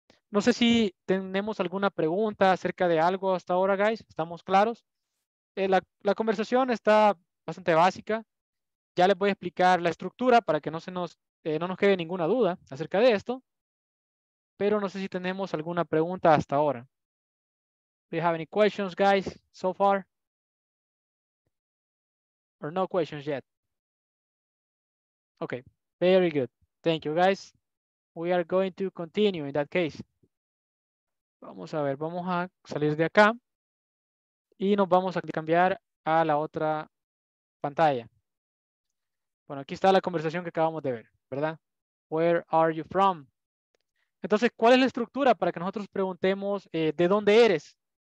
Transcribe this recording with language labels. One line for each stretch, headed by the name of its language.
Spanish: No sé si tenemos alguna pregunta acerca de algo hasta ahora, guys. ¿Estamos claros? La conversación está bastante básica. Ya les voy a explicar la estructura para que no nos quede ninguna duda acerca de esto. Pero no sé si tenemos alguna pregunta hasta ahora.
English: Do you have any questions, guys, so far? Or no questions yet. Okay, very good. Thank you, guys. We are going to continue in that case.
Spanish: Vamos a ver, vamos a salir de acá. Y nos vamos a cambiar a la otra pantalla. Bueno, aquí está la conversación que acabamos de ver, ¿verdad?
English: Where are you from?
Spanish: Entonces, ¿cuál es la estructura para que nosotros preguntemos de dónde eres?